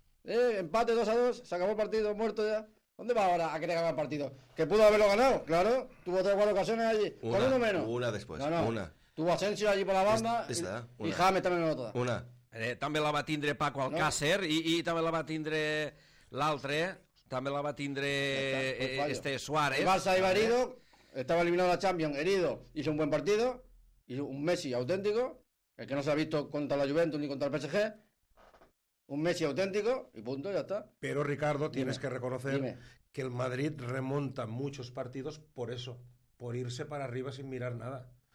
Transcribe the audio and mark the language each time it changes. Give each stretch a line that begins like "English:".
Spanish: Empate 2-2. Se acabó el partido. Muerto ya. ¿Dónde va ahora a querer ganar el partido? Que pudo haberlo ganado. Claro. Tuvo 3 o 4 ocasiones allí. Una, con uno menos. Una después. No. Una. Tuvo Asensio allí por la banda. Y James también lo toda. Una. También la va a tindre Paco Alcácer. No. Y también la va a tindre l'altre.
Catalan: També la va tindre este Suárez.
Spanish: El Barça iba herido, estaba eliminado de la Champions, herido, hizo un buen partido, hizo un Messi auténtico, el que no se ha visto contra la Juventus ni contra el PSG, un Messi auténtico y punto, ya está. Pero Ricardo, tienes que reconocer que el Madrid remonta muchos partidos por eso, por irse para arriba sin mirar nada.